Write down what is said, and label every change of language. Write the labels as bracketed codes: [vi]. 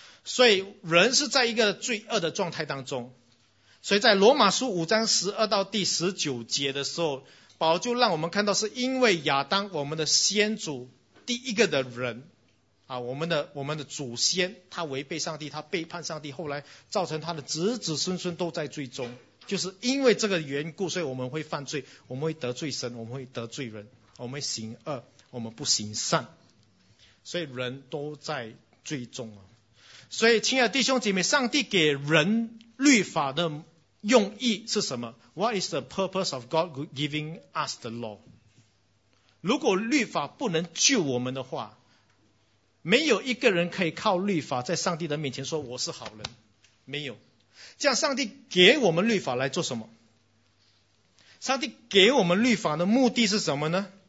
[zh] 所以人是在一个罪恶的状态当中，所以在罗马书五章十二到第十九节的时候，保罗就让我们看到，是因为亚当，我们的先祖，第一个的人啊，我们的祖先，他违背上帝，他背叛上帝，后来造成他的子子孙孙都在罪中，就是因为这个缘故，所以我们会犯罪，我们会得罪神，我们会得罪人，我们会行恶，我们不行善，所以人都在罪中啊。所以亲爱的弟兄姐妹，上帝给人律法的用意是什么？ [en] What is the purpose of God giving us the law? [zh] 如果律法不能救我们的话，没有一个人可以靠律法在上帝的面前说我是好人，没有。这样上帝给我们律法来做什么？上帝给我们律法的目的是什么呢？